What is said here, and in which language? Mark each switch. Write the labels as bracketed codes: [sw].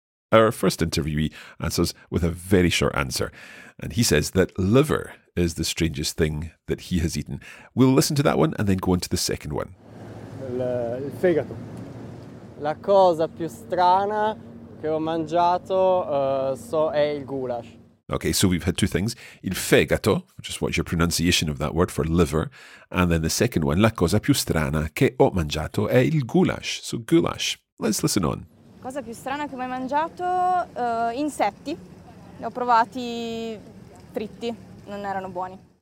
[en] Our first interviewee answers with a very short answer. And he says that liver is the strangest thing that he has eaten. We'll listen to that one and then go on to the second one. [it] Il fegato. La cosa più strana che ho mangiato è il goulash. [en] Okay, so we've had two things. [it] Il fegato, [en] which is what your pronunciation of that word for liver. And then the second one, [it] la cosa più strana che ho mangiato è il goulash. [en] So goulash. Let's listen on. [it] Cosa più strana che ho mai mangiato? Insetti. Ne ho provati fritti. Non erano buoni.